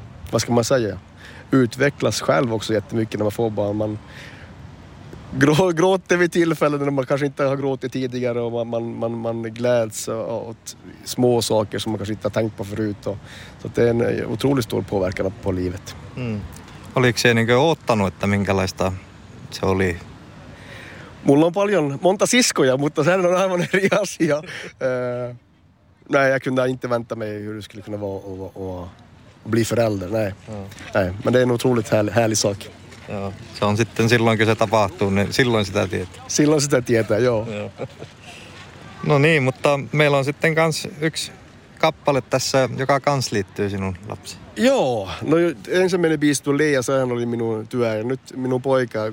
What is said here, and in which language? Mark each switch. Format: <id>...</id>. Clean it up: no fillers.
<sv>Vad ska man säga? Utvecklas själv också jättemycket när man får barn. Man gråter vid tillfällen när man kanske inte har gråtit tidigare, och man gläds åt små saker som man kanske inte har tänkt på förut. Så det är en otroligt stor påverkan på livet. Mm.</sv> <fi>Oliko se niinku oottanut, että minkälaista se oli? Mulla on paljon, monta siskoja, mutta sen on aivan eri asia.</fi> <sv>Nej, jag kunde inte vänta mig hur det skulle kunna vara och bli förälder. Nej. Mm. Nej, men det är en otroligt härlig sak.</sv> <fi>Joo. Se on sitten silloin, kun se tapahtuu, niin silloin sitä tietää. Silloin sitä tietää, joo. No niin, mutta meillä on sitten kans yksi kappale tässä, joka kans liittyy sinun lapsi. Joo, no ensimmäinen biisi tuli ja sehän oli minun työ ja nyt minun poika.</fi>